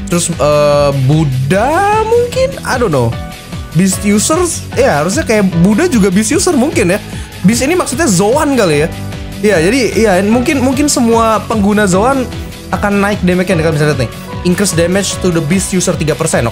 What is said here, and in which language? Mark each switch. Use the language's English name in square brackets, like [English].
[Indonesian] Terus Buddha mungkin, [English] I don't know. [Indonesian] Beast users, ya harusnya kayak Buddha juga beast user mungkin ya. Beast ini maksudnya Zoan kali ya. Ya, jadi ya mungkin semua pengguna Zoan akan naik damage-nya kan, bisa lihat nih. [English] Increase damage to the beast user 3%, oke.